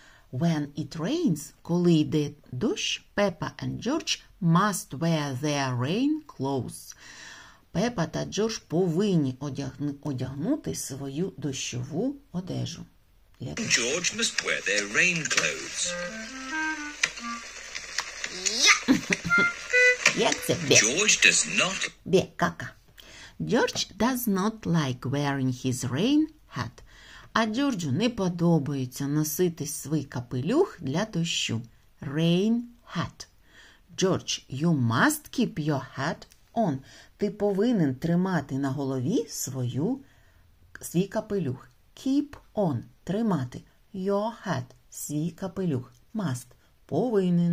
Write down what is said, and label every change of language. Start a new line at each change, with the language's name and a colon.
English: When it rains,
Ukrainian: коли йде дощ,
English: Peppa and George must wear their rain clothes.
Ukrainian: Peppa та Джордж повинні одягнути свою дощову одежу.
English: George must wear their rain clothes.
Ukrainian: Як це? Бе.
English: George does not...
Ukrainian: Бе, кака.
English: George does not like wearing his rain hat.
Ukrainian: А Джорджу не подобається носити свій капелюх для дощу.
English: Rain hat. George, you must keep your hat on.
Ukrainian: Ти повинен тримати на голові свій капелюх.
English: Keep on.
Ukrainian: Тримати.
English: Your hat.
Ukrainian: Свій капелюх.
English: Must.
Ukrainian: Повинен.